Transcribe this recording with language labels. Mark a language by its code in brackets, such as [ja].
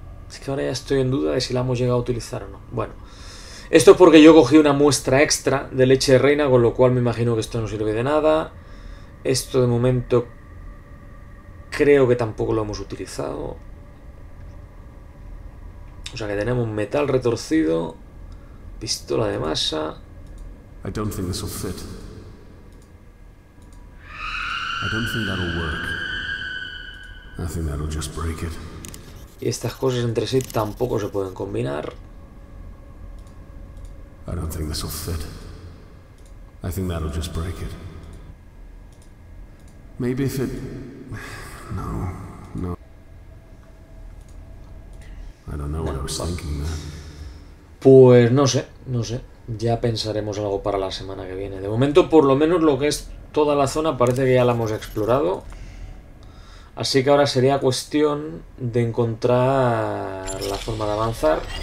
[es] Es que ahora ya estoy en duda de si la hemos llegado a utilizar o no. Bueno, esto es porque yo cogí una muestra extra de leche de reina, con lo cual me imagino que esto no sirve de nada. Esto de momento creo que tampoco lo hemos utilizado. O sea que tenemos metal retorcido. Pistola de masa. [en] I don't think this will fit. I don't think that'll work. I think that'll just break it. [es] Y estas cosas entre sí tampoco se pueden combinar. [en] I don't think this will fit. I think that'll just break it. Maybe if it... No, no. I don't know what I was thinking there. [es] Pues no sé, no sé. Ya pensaremos algo para la semana que viene. De momento, por lo menos lo que es toda la zona, parece que ya la hemos explorado. Así que ahora sería cuestión de encontrar la forma de avanzar.